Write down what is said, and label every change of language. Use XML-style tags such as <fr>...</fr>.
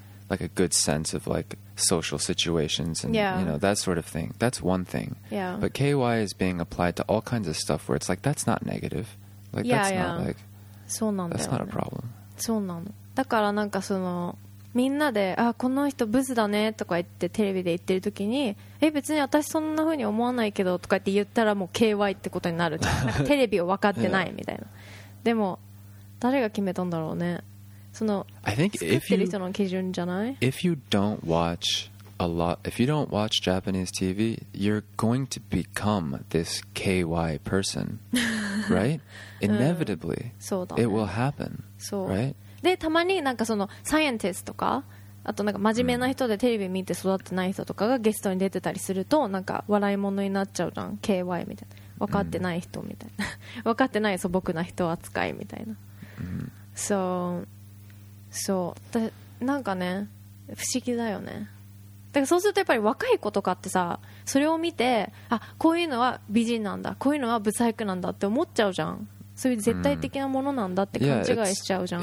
<en>like a good sense of like social situations and, you know, that sort of thing. That's one thing. Yeah. But KY is being applied to all kinds of stuff where it's like, that's not negative. Like, that's not like,</en> <ja>そうなんだよね。</ja> <en>That's not a problem.</en> <ja>そうなの。だからなんかそのみんなで、あ、この人ブスだねとか言ってテレビで言ってる時に、え、別に私そんな風に思わないけどとか言ったらもう KY ってことになるじゃん。なんかテレビを分かってないみたいな。でも誰が決めたんだろうね。その</ja> <en>I think</en> <ja>作ってる人の基準じゃない</ja> <en>if you don't watch a lot, if you don't watch Japanese TV, you're going to become this KY person, right? Inevitably,</en> <ja>そうだ、ね、</ja> <en>it will happen,</en> <ja>そう</ja> <en>right?</en> <ja>でたまになんかそのサイエンティストとかあとなんか真面目な人でテレビ見て育ってない人とかがゲストに出てたりするとなんか笑い物になっちゃうじゃん KY みたいな分かってない人みたいな分かってない素朴な人扱いみたいな、うん、そうそうでなんかね不思議だよねだからそうするとやっぱり若い子とかってさそれを見てあこういうのは美人なんだこういうのはブサイクなんだって思っちゃうじゃんそういう絶対的なものなんだって勘違いしちゃうじゃん。</ja>